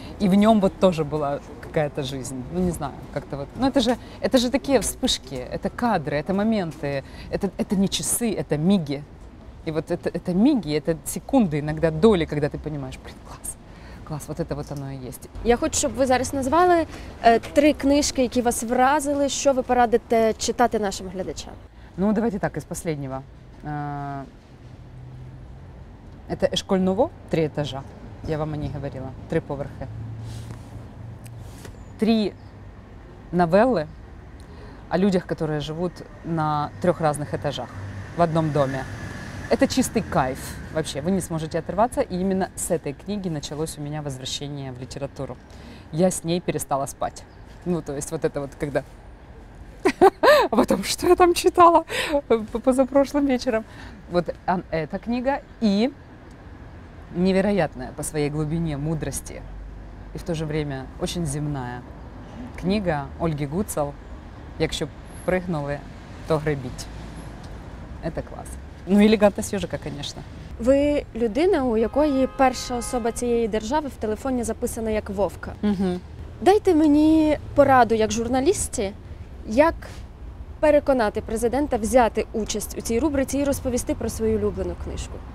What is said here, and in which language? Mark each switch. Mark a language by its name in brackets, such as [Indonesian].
[Russian] И в нем вот тоже была какая-то жизнь. Ну, не знаю, как-то вот. Ну, это же такие вспышки, это кадры, это моменты. Это не часы, это миги. И вот это миги, это секунды, иногда доли, когда ты понимаешь, блин, клас, вот это вот оно и есть. [Ukrainian] Я хочу, щоб ви зараз назвали три книжки, які вас вразили, що ви порадите читати нашим глядачам? [Russian] Ну, давайте так, із последнього. Это «Эшколь Нуво», «Три этажа». Я вам о ней говорила. [Ukrainian] «Три поверхи». [Russian] Три новеллы о людях, которые живут на трех разных этажах в одном доме. Это чистый кайф вообще. Вы не сможете оторваться. И именно с этой книги началось у меня возвращение в литературу. Я с ней перестала спать. Ну, то есть вот это вот когда... А потом, что я там читала позапрошлым вечером? Вот эта книга и... Невероятная по своей глубине мудрости и в то же время очень земная книга Ольги Гуцал [Ukrainian] «Якщо прыгнули, то гребіть». [Russian] Это класс. Ну, «Елегантность ежика», конечно. [Ukrainian] Ви людина, у якої перша особа цієї держави в телефоні записана як Вовка. Угу. Дайте мені пораду як журналісті, як переконати президента взяти участь у цій рубриці і розповісти про свою улюблену книжку.